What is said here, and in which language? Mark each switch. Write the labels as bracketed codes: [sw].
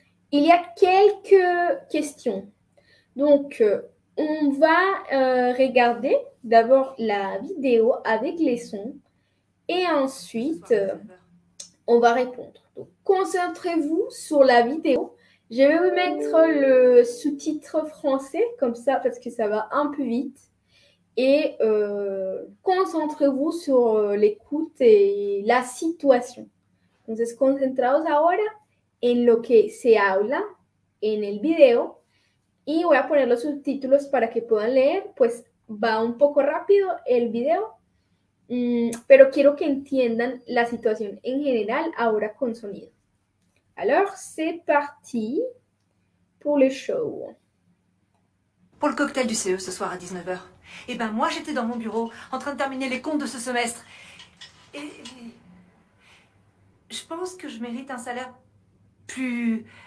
[fr] Il y a quelques questions. On va regarder d'abord la vidéo avec les sons et ensuite on va répondre. Donc, concentrez-vous sur la vidéo. Je vais vous mettre le sous-titre français comme ça parce que ça va un peu vite. Et concentrez-vous sur l'écoute et la situation. [es] Entonces, concentrados ahora en lo que se habla en el video. Y voy a poner los subtítulos para que puedan leer, pues va un poco rápido el video, pero quiero que entiendan la situación en general ahora con sonido. [fr] Alors, c'est parti pour le show. Pour le cocktail du CE ce soir à 19h. Eh ben moi j'étais dans mon bureau en train de terminer les comptes de ce semestre. Et je pense que je mérite un salaire plus...